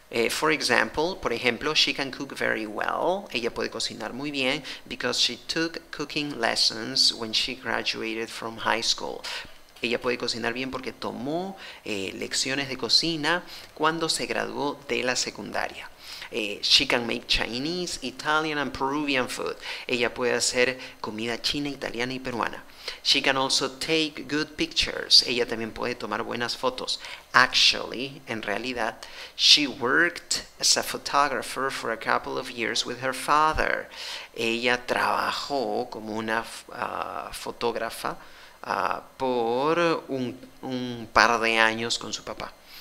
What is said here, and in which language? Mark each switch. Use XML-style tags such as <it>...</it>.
<en>For example,</en> <es>por ejemplo,</es> <en>she can cook very well.</en> <es>Ella puede cocinar muy bien</es> <en>because she took cooking lessons when she graduated from high school.</en> <es>Ella puede cocinar bien porque tomó lecciones de cocina cuando se graduó de la secundaria.</es> <en>She can make Chinese, Italian and Peruvian food.</en> <es>Ella puede hacer comida china, italiana y peruana.</es> <en>She can also take good pictures.</en> <es>Ella también puede tomar buenas fotos.</es> <en>Actually,</en> <es>en realidad,</es> <en>she worked as a photographer for a couple of years with her father.</en> <es>Ella trabajó como una fotógrafa por un par de años con su papá.</es>